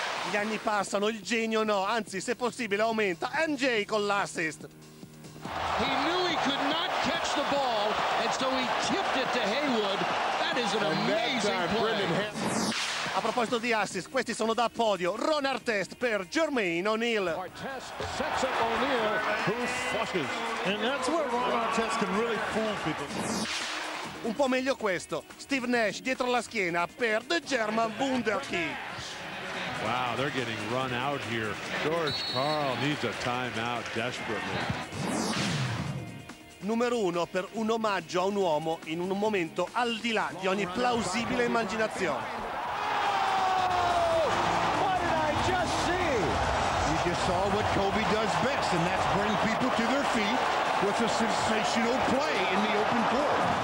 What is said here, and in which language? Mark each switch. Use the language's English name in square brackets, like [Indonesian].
[Italian] Gli anni passano, il genio no, anzi, se possibile, aumenta. MJ con l'assist. [English] He knew he could not catch the ball, and so he tipped it to Haywood. That is an amazing play. [Italian] A proposito di assist, questi sono da podio. Ron Artest per Jermaine O'Neal. [English] Artest sets up O'Neal, who flushes. And that's where Ron Artest can really fool people. [Italian] Un po' meglio questo. Steve Nash dietro la schiena per The German Wunderkind. [English] Wow, they're getting run out here. George Karl needs a timeout desperately. [Italian] Numero uno per un omaggio a un uomo in un momento al di là di ogni plausibile immaginazione. [English] Oh, what did I just see? You just saw what Kobe does best, and that's bring people to their feet with a sensational play in the open court.